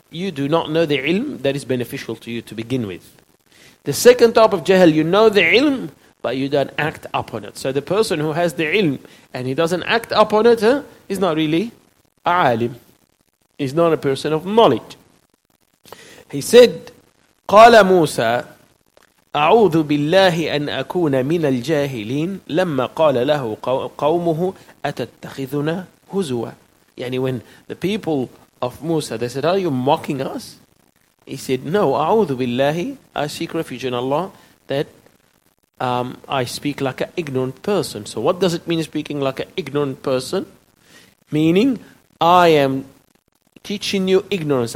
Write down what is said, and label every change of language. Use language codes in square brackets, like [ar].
[en] You do not know the ilm that is beneficial to you to begin with. The second type of jahl, you know the ilm, but you don't act upon it. So the person who has the ilm and he doesn't act upon it, is not really a alim. He's not a person of knowledge. He said, [ar] قال موسى أعوذ بالله أن أكون من الجاهلين لما قال له قومه أتتخذنا هزوا. يعني [en] when the people of Musa, they said, are you mocking us? He said, no, [ar] أعوذ بالله, [en] I seek refuge in Allah, that I speak like an ignorant person. So what does it mean speaking like an ignorant person? Meaning, I am teaching you ignorance.